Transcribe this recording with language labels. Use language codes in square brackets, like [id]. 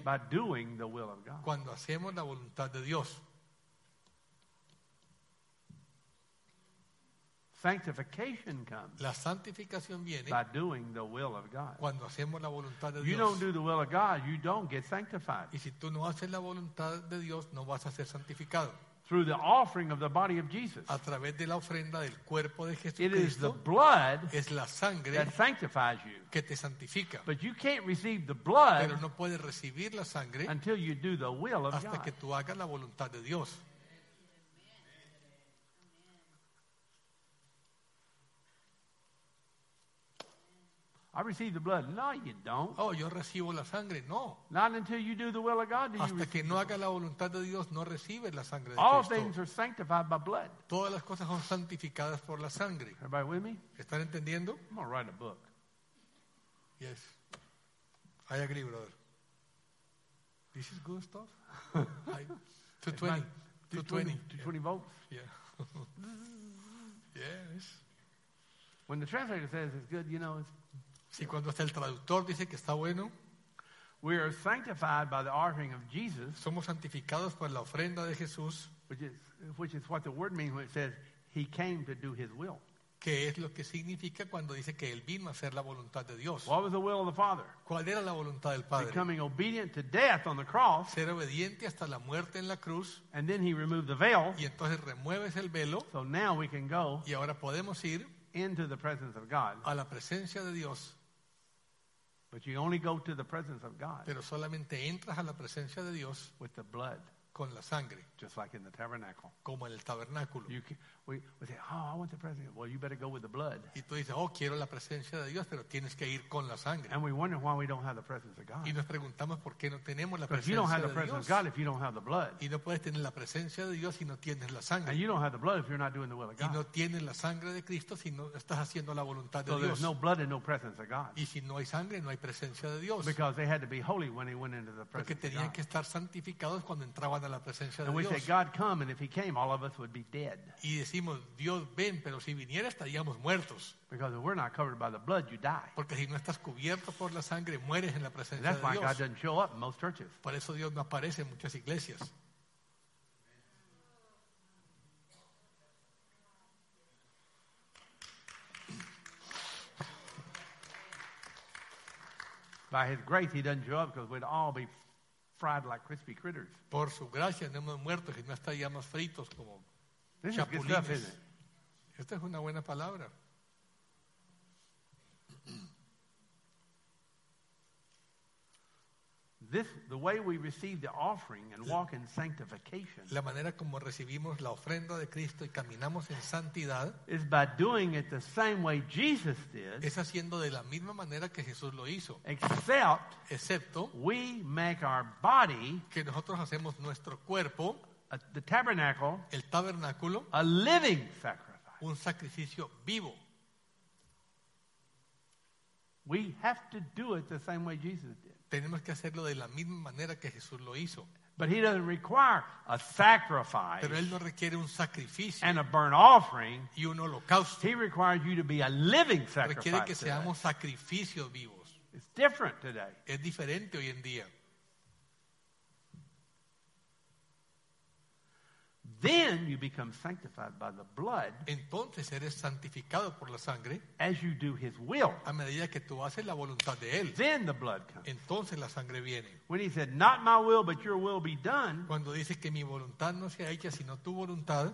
[en] by doing the will of God. [es] Cuando hacemos la voluntad de Dios. [en] Sanctification comes. [es] La santificación viene [en] by doing the will of God. [es] Cuando hacemos la voluntad de [en] you [es] Dios. [en] You don't do the will of God, you don't get sanctified. [es] Y si tú no haces la voluntad de Dios, no vas a ser santificado. [en] Through the offering of the body of Jesus. [es] A través de la ofrenda del cuerpo de Jesucristo. [en] It is the blood [es] es la sangre [en] that sanctifies you. [es] Que te santifica. [en] But you can't receive the blood [es] pero no puedes recibir la sangre [en] until you do the will of [es] hasta [en] God. [es] Que tú hagas la voluntad de Dios. [en] I receive the blood. No, you don't. [es] Oh, yo recibo la sangre. No. [en] Not until you do the will of God do [es] hasta [en] you receive [es] que no haga la voluntad de Dios, no recibes la sangre de [en] all [es] Cristo. [en] Things are sanctified by blood. [es] Todas las cosas son santificadas por la sangre. [en] Everybody with me? [es] ¿Están entendiendo? [en] I'm going to write a book. Yes. I agree, brother. This is good stuff. 220 volts. Yeah. Yes. When the translator says it's good, you know it's [es] si cuando está el traductor dice que está bueno, [en] we are sanctified by the offering of Jesus, [es] somos santificados por la ofrenda de Jesús, [en] which is what the word means when it says he came to do his will. [es] ¿Qué es lo que significa cuando dice que él vino a hacer la voluntad de Dios? [en] What was the will of the Father? [es] ¿Cuál era la voluntad del Padre? [en] Becoming obedient to death on the cross, [es] ser obediente hasta la muerte en la cruz, [en] and then he removed the veil, [es] y entonces remueves el velo, [en] so now we can go, [es] y ahora podemos ir [en] into the presence of God. [es] A la presencia de Dios. [en] But you only go to the presence of God. [es] Pero solamente entras a la presencia de Dios. [en] With the blood. [es] Con la sangre. [en] Just like in the tabernacle. [es] Como en el tabernáculo. [en] You can, we say, oh, I want the presence. Well, you better go with the blood. [es] Y tú dices, oh, quiero la presencia de Dios, pero tienes que ir con la sangre. [en] And we wonder why we don't have the presence of God. [es] Y nos preguntamos por qué no tenemos la presencia de Dios. [en] Because you don't have the presence of God if you don't have the blood. [es] Y no puedes tener la presencia de Dios si no tienes la sangre. [en] And you don't have the blood if you're not doing the will of God. [es] Y no tienes la sangre de Cristo si no estás haciendo la voluntad de Dios. [en] So there's no blood and no presence of God. [es] Y si no hay sangre, no hay presencia de Dios. [en] Because they had to be holy when they went into the presence of God. [es] Porque tenían que estar santificados cuando entraban a la presencia de Dios. [en] And we say, God come, and if he came, all of us would be dead. [es] Decimos, Dios ven, pero si viniera estaríamos muertos. [en] Because if we're not covered by the blood, you die. [es] Porque si no estás cubierto por la sangre, mueres en la presencia de Dios. [en] God doesn't show up in most churches. [es] Por eso Dios no aparece en muchas iglesias. [en] By his grace, he doesn't show up because we'd all be fried like crispy critters. [es] Por su gracia, no hemos muerto si no estaríamos fritos como chapulines. Esta es una buena palabra. [en] This, the way we receive the offering and walk in sanctification. [es] La manera como recibimos la ofrenda de Cristo y caminamos en santidad. [en] Is by doing it the same way Jesus did. [es] Es haciendo de la misma manera que Jesús lo hizo. [en] Except, [es] excepto, [en] we make our body. [es] Que nosotros hacemos nuestro cuerpo. [en] The tabernacle, [es] el tabernáculo, [en] a living sacrifice, [es] un sacrificio vivo. [en] We have to do it the same way Jesus did. [es] Tenemos que hacerlo de la misma manera que Jesús lo hizo. [en] But he doesn't require a sacrifice. [es] Pero él no requiere un sacrificio. [en] And a burnt offering. [es] Y un holocausto. [en] He requires you to be a living sacrifice. [es] Requiere que seamos sacrificios vivos. [en] It's different today. [es] Es diferente hoy en día. [en] Then you become sanctified by the blood. [es] Entonces eres santificado por la sangre. [en] As you do his will. [es] A medida que tú haces la voluntad de él. [en] Then the blood comes. [es] Entonces la sangre viene. [en] When he said, "Not my will, but your will be done." [es] Cuando dice que mi voluntad no sea hecha sino tu voluntad.